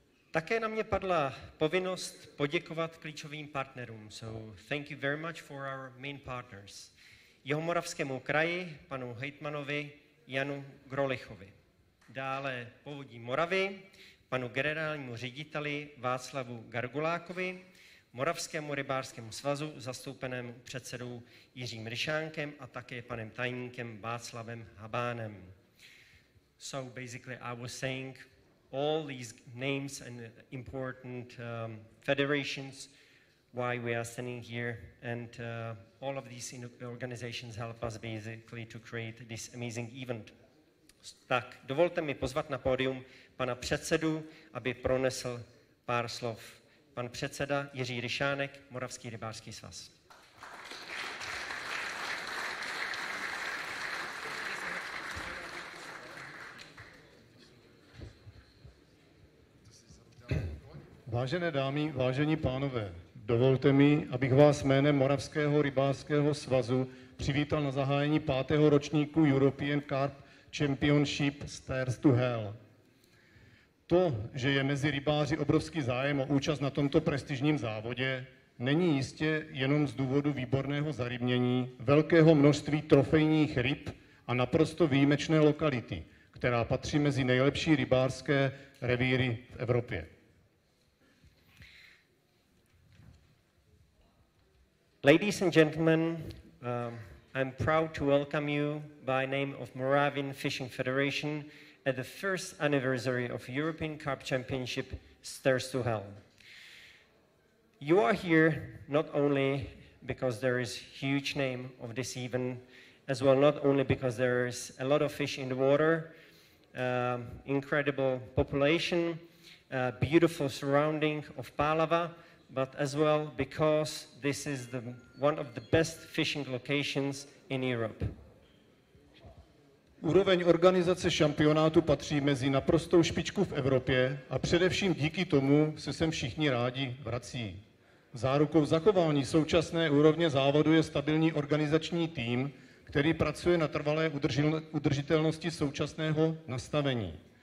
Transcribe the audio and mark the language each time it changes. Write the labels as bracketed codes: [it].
[cs] Také na mě padla povinnost poděkovat klíčovým partnerům. [en] So thank you very much for our main partners. [cs] Jihomoravskému kraji, panu hejtmanovi Janu Grolichovi. Dále Povodí Moravy, panu generálnímu řediteli Václavu Gargulákovi, Moravskému rybářskému svazu, zastoupenému předsedou Jiřím Ryšánkem a také panem tajníkem Václavem Habánem. [en] So basically I was saying all these names and important federations, why we are standing here, and all of these organizations help us basically to create this amazing event. [cs] Tak, dovolte mi pozvat na pódium pana předsedu, aby pronesl pár slov. Pan předseda Jiří Ryšánek, Moravský rybářský svaz. Vážené dámy, vážení pánové, dovolte mi, abych vás jménem Moravského rybářského svazu přivítal na zahájení 5. ročníku European Carp Championship Stairs to Hell. To, že je mezi rybáři obrovský zájem o účast na tomto prestižním závodě, není jistě jenom z důvodu výborného zarybnění, velkého množství trofejních ryb a naprosto výjimečné lokality, která patří mezi nejlepší rybářské revíry v Evropě. [en] Ladies and gentlemen, I'm proud to welcome you by name of Moravian Fishing Federation at the first anniversary of European Carp Championship Stairs to Hell. You are here not only because there is huge name of this event, as well not only because there is a lot of fish in the water, incredible population, beautiful surrounding of Pálava, but as well because this is the one of the best fishing locations in Europe. [cs] Úroveň organizace šampionátu patří mezi naprostou špičku v Evropě a především díky tomu se sem všichni rádi vrací. Zárukou zachování současné úrovně závodu je stabilní organizační tým, který pracuje na trvalé udržitelnosti současného nastavení.